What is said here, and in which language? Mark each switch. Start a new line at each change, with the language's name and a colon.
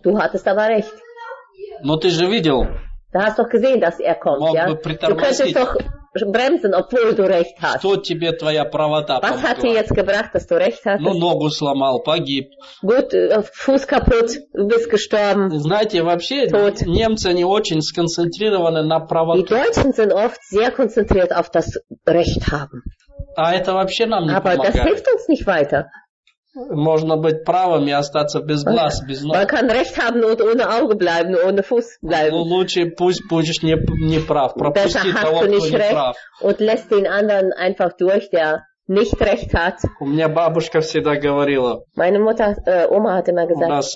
German: Du hattest aber recht.
Russian: Но ты же видел.
German: Du hast doch gesehen, dass er kommt,
Russian: мог
German: ja?
Russian: Бы притормозить.
German: Du könntest doch bremsen, obwohl du recht hast.
Russian: Что тебе твоя правота помогла?
German: Was hat dir jetzt gebracht, dass du recht hattest?
Russian: Ну, ногу сломал, погиб.
German: Gut, Fuß kaputt, bist gestorben.
Russian: Знаете, вообще,
German: tot.
Russian: Немцы не очень сконцентрированы на правоте.
German: Die Deutschen sind oft sehr konzentriert auf das Recht haben.
Russian: А это вообще нам не
German: aber
Russian: помогает.
German: Das hilft uns nicht weiter.
Russian: Можно быть правым и остаться без глаз, без ног.
German: Man kann recht haben und ohne Auge bleiben, ohne Fuß bleiben.
Russian: Ну, лучше пусть будешь не прав. Пропусти
German: besser
Russian: того,
German: hast du nicht
Russian: кто
German: recht
Russian: не прав.
German: Und lässt den anderen einfach durch, der nicht recht hat.
Russian: У меня бабушка всегда говорила.
German: Meine Mutter, Oma hat immer gesagt.